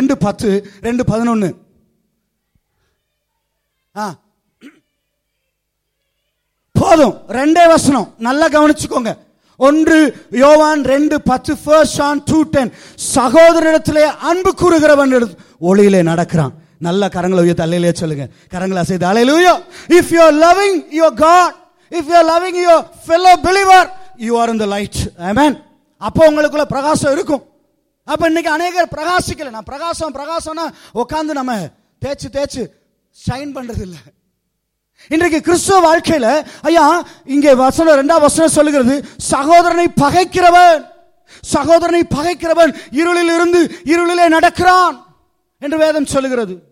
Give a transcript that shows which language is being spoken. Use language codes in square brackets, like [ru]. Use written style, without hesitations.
[ta] 2:10, 2:11 போதும், 2 வசனம் நல்லா கவனிச்சுக்கோங்க. 1 John 2:10 1 John 2:10 சகோதரத்திலே அன்பு கூறுகிறவன் ஒளியிலே நடக்கிறான். நல்ல கரங்களை உயர்த்த அல்லேலூயா சொல்லுங்க, கரங்களை அசைத்து அல்லேலூயா. [en] If you are loving your God, if you are loving your fellow believer, you are in the light. Amen. [ta] அப்போ உங்களுக்குள்ள பிரகாசம் இருக்கும். அப்ப இன்னைக்கு அநேகர் பிரகாசிக்கல. நான் பிரகாசம் பிரகாசம்னா உட்காந்து நம்ம தேய்ச்சு தேய்ச்சு ஷைன் பண்றது இல்ல. இன்றைக்கு கிறிஸ்துவ வாழ்க்கையில ஐயா இங்கே வசனம் 2 வசனம் சொல்லுகிறது, சகோதரனை பகைக்கிறவன், சகோதரனை பகைக்கிறவன் இருளில் இருந்து இருளிலே நடக்கிறான் என்று வேதம் சொல்லுகிறது.